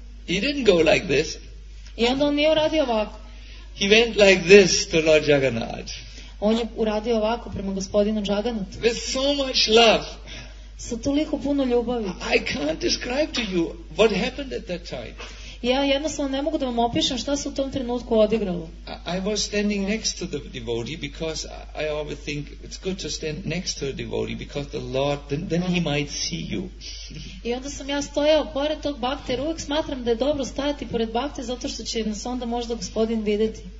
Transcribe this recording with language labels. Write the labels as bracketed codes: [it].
[en] He didn't go like this. [sr] I onda on nije uradio ovako. [en] He went like this to Lord Jagannath. [sr] On je uradio ovako prema gospodinu Jagannathu. [en] With so much love. [sr] Sa toliko puno ljubavi. [en] I can't describe to you what happened at that time. [sr] Ja jednostavno ne mogu da vam opišem šta se u tom trenutku odigralo. [en] I was standing next to the devotee because I always think it's good to stand next to a devotee because the Lord then he might see you. [sr] I onda sam ja stojao pored tog bakte, uvek smatram da je dobro stajati pored bakte zato što će nas onda možda gospodin videti.